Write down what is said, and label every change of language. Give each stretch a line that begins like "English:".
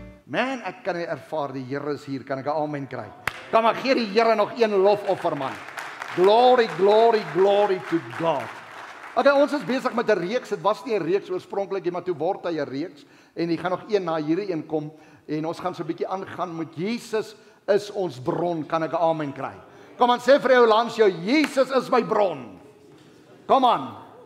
Afrikaans: Man, ek kan nie ervaar die Here is hier, kan ek 'n amen kry? Kom maar gee die Here nog een lofoffer man.
English: Glory, glory, glory to God.
Afrikaans: Okay, ons is besig met 'n reeks. Dit was nie 'n reeks oorspronklik nie, maar toe word hy 'n reeks en hy gaan nog een na hierdie een kom en ons gaan so 'n bietjie aangaan met Jesus is ons bron, kan ek 'n amen kry? Kom aan sê vir jou langs jou Jesus is my bron. Kom aan.